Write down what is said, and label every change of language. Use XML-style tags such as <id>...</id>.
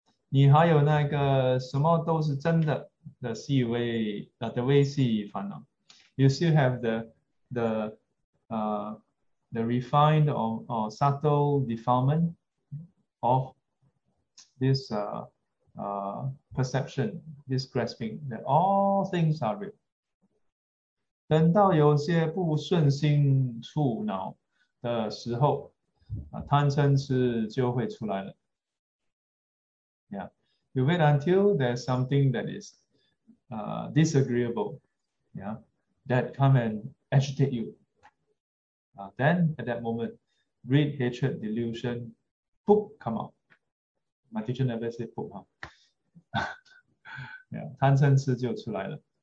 <zh>你还有那个什么都是真的的细微啊的微细烦恼。</zh> <en>You still have the refined or subtle defilement of this perception, this grasping that all things are real。</en> <zh>等到有些不顺心触恼。的时候，啊，贪嗔痴就会出来了。</zh> <en>Yeah, you wait until there's something that is, disagreeable, yeah, that come and agitate you. Then at that moment, greed, hatred, delusion, poof, come out. My teacher never say poof, Yeah,</en> <zh>贪嗔痴就出来了。</zh>